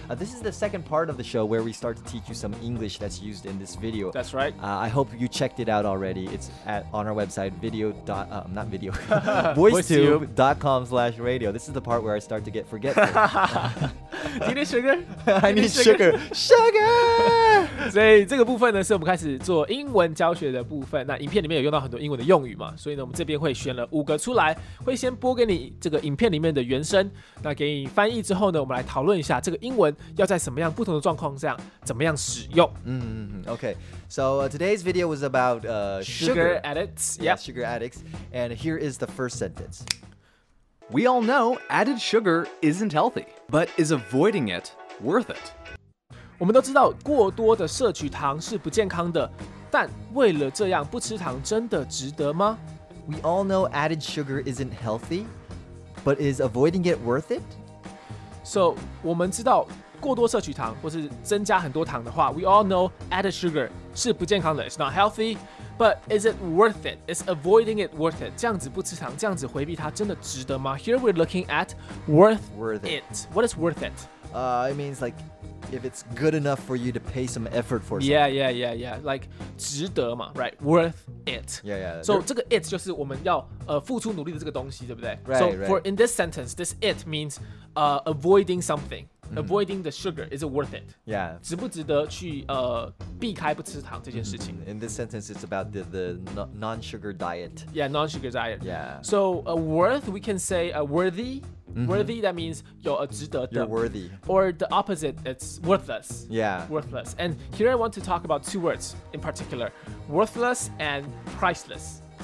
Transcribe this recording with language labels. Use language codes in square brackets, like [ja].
[en] This is the second part of the show where we start to teach you some English that's used in this video. That's right. I hope you checked it out already. It's on our website, voicetube.com/radio. This is the part where I start to get forgetful. Do you need sugar? I need sugar. Sugar! [zh] 所以这个部分呢，是我们开始做英文教学的部分。那影片里面有用到很多英文的用语嘛，所以呢，我们这边会选了5个出来，会先播给你这个影片里面的原声，那给你翻译之后呢，我们来讨论一下这个英文要在什么样不同的状况下怎么样使用。 [en] Okay, so today's video was about sugar addicts. Yeah, sugar addicts. And here is the first sentence. We all know added sugar isn't healthy, but is avoiding it worth it? [zh] 我们都知道过多的摄取糖是不健康的，但为了这样不吃糖真的值得吗？ [en] We all know added sugar isn't healthy, but is avoiding it worth it? So, [zh] 我们知道过多摄取糖或是增加很多糖的话， [en] We all know added sugar [zh] 是不健康的， [en] It's not healthy, but is it worth it? Is avoiding it worth it? [zh] 这样子不吃糖，这样子回避它真的值得吗？ [en] Here we're looking at worth it. What is worth it? It means like,if it's good enough for you to pay some effort for something. Yeah. Like, [zh] 值得嘛, [en] right? Worth it. Yeah. [zh] So, 这个 it 就是我们要付出努力的这个东西，对不对？ Right. [en] So, for in this sentence, this it means avoiding something. Avoiding the sugar. Is it worth it? Yeah. [zh] 值不值得去避开不吃糖这件事情。 [en] In this sentence, it's about the non-sugar diet. Yeah, non-sugar diet. Yeah. So, worth, we can say worthy. Worthy, that means [zh] 有值得的 [en] You're worthy. Or the opposite, it's worthless. Yeah. Worthless. And here I want to talk about 2 words in particular. Worthless and priceless.